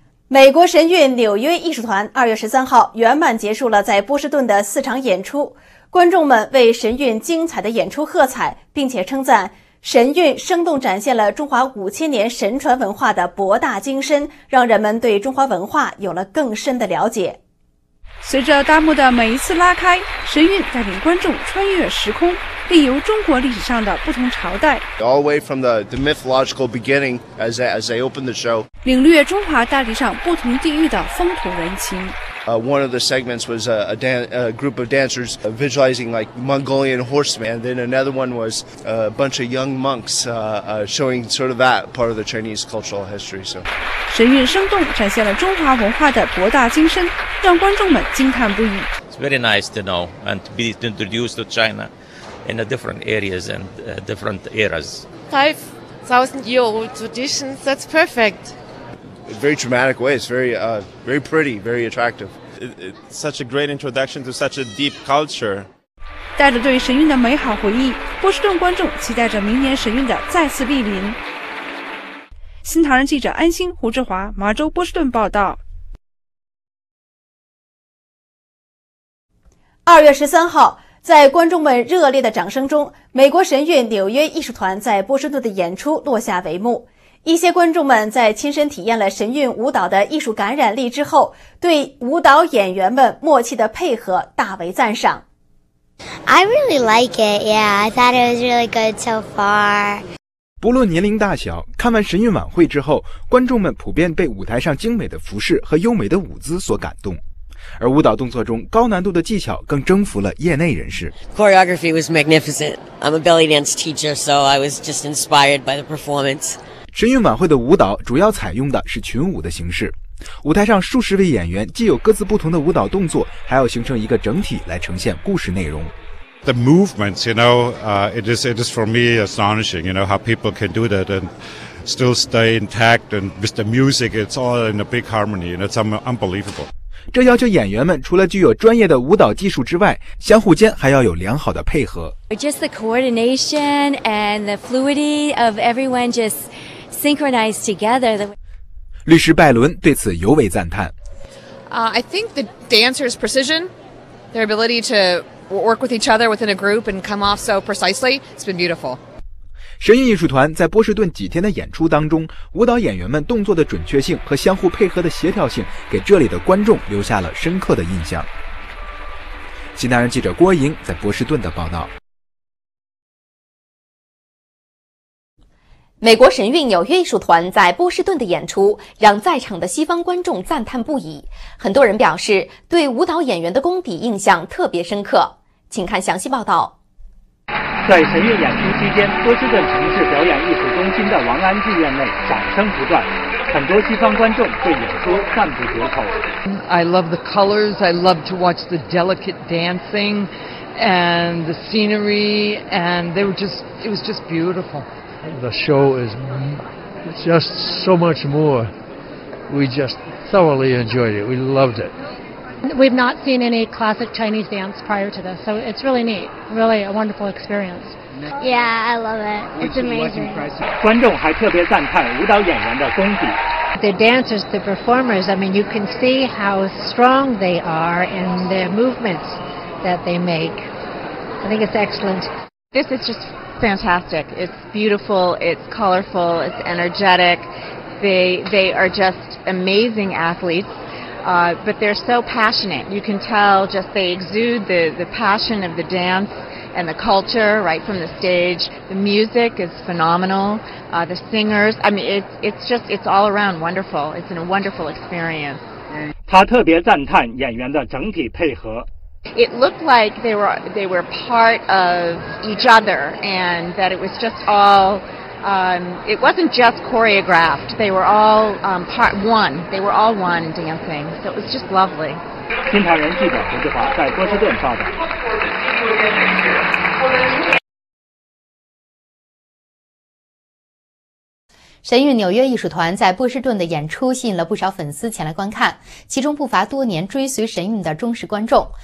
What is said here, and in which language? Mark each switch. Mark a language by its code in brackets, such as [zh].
[zh] 美国神韵纽约艺术团2月13号圆满结束了在波士顿的4场演出，观众们为神韵精彩的演出喝彩，并且称赞神韵生动展现了中华5000年神传文化的博大精深，让人们对中华文化有了更深的了解。随着大幕的每一次拉开，神韵带领观众穿越时空，历游中国历史上的不同朝代。 [en] All the way from the mythological beginning as they open the show. [zh] 领略中华大地上不同地域的风土人情。 [en] One of the segments was a group of dancers visualizing like Mongolian horsemen. Then another one was a bunch of young monks showing sort of that part of the Chinese cultural history. So, [zh] 神韵生动展现了中华文化的博大精深，让观众们惊叹不已。 [en] It's very nice to know and to be introduced to China. in the different areas and different eras. 5,000-year-old tradition, that's perfect. Very dramatic way. It's very, very pretty, very attractive. It's such a great introduction to such a deep culture. [zh] 带着对神韵的美好回忆，波士顿观众期待着明年神韵的再次莅临。新唐人记者安心、胡志华，麻州、波士顿报道。二月十三号，在观众们热烈的掌声中，美国神韵纽约艺术团在波士顿的演出落下帷幕。一些观众们在亲身体验了神韵舞蹈的艺术感染力之后，对舞蹈演员们默契的配合大为赞赏。 [en] I really like it. Yeah, I thought it was really good so far. [zh] 不论年龄大小，看完神韵晚会之后，观众们普遍被舞台上精美的服饰和优美的舞姿所感动，而舞蹈动作中高难度的技巧更征服了业内人士。 [en] Choreography was magnificent. I'm a belly dance teacher, so I was just inspired by the performance. [zh] 神韵晚会的舞蹈主要采用的是群舞的形式，舞台上数十位演员既有各自不同的舞蹈动作，还要形成一个整体来呈现故事内容。 [en] The movements, you know, it is for me astonishing, you know, how people can do that and still stay intact and with the music, it's all in a big harmony, and it's unbelievable. [zh] 这要求演员们除了具有专业的舞蹈技术之外，相互间还要有良好的配合。 [en] Just the coordination and the fluidity of everyone just synchronized together. [zh] 律师拜伦对此尤为赞叹。 [en] I think the dancers' precision, their ability to work with each other within a group and come off so precisely, it's been beautiful. [zh] 神韵艺术团在波士顿几天的演出当中，舞蹈演员们动作的准确性和相互配合的协调性给这里的观众留下了深刻的印象。新唐人记者郭莹在波士顿的报道。美国神韵纽约艺术团在波士顿的演出让在场的西方观众赞叹不已，很多人表示对舞蹈演员的功底印象特别深刻，请看详细报道。在神韵演出期间，波士顿城市表演艺术中心的王安剧院内掌声不断，很多西方观众对演出赞不绝口。 [en] I love the colors, I love to watch the delicate dancing and the scenery, and they were just, it was just beautiful. The show is just so much more. We just thoroughly enjoyed it. We loved it. We've not seen any classic Chinese dance prior to this, so it's really neat. Really a wonderful experience. Yeah, I love it. It's amazing. [zh] 观众还特别赞叹舞蹈演员的功底。 [en] The dancers, the performers, I mean, you can see how strong they are in their movements that they make. I think it's excellent. This is justfantastic. It's beautiful, it's colorful, it's energetic. They are just amazing athletes, but they're so passionate. You can tell just they exude the passion of the dance and the culture right from the stage. The music is phenomenal. The singers, I mean, it's all around wonderful. It's a wonderful experience. [zh] 他特别赞叹演员的整体配合。 [en] It looked like they were part of each other, and that it was just all, it wasn't just choreographed. They were all part one. They were all one dancing. So it was just lovely. [zh] 新唐人记者胡志华在波士顿报道。神韵纽约艺术团在波士顿的演出吸引了不少粉丝前来观看，其中不乏多年追随神韵的忠实观众。